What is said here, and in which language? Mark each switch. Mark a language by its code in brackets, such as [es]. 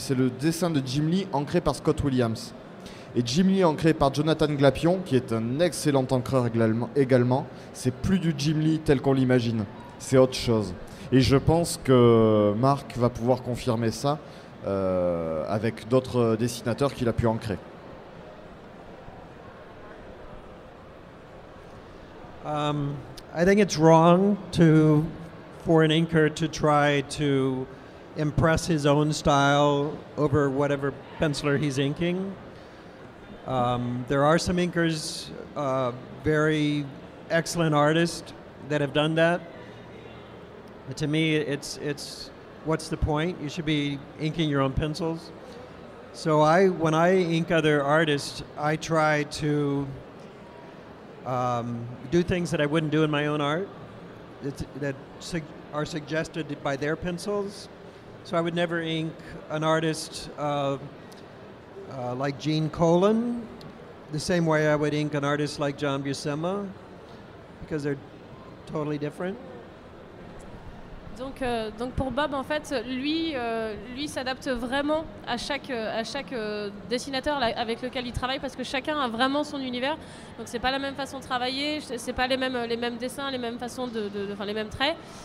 [fr] C'est le dessin de Jim Lee ancré par Scott Williams. Et Jim Lee ancré par Jonathan Glapion, qui est un excellent ancreur également, c'est plus du Jim Lee tel qu'on l'imagine. C'est autre chose. Et je pense que Marc va pouvoir confirmer ça avec d'autres dessinateurs qu'il a pu ancrer. [en] I think it's wrong for an inker to try to impress his own style over whatever penciler he's inking. There are some inkers, very excellent artists, that have done that. But to me, it's what's the point? You should be inking your own pencils. So when I ink other artists, I try to do things that I wouldn't do in my own art, that are suggested by their pencils. So I would never ink an artist like Gene Colan, the same way I would ink an artist like John Buscema, because they're totally different. [fr] Donc pour Bob, en fait, lui s'adapte vraiment à chaque dessinateur avec lequel il travaille, parce que chacun a vraiment son univers. Donc c'est pas la même façon de travailler, c'est pas les mêmes dessins, les mêmes façons les mêmes traits.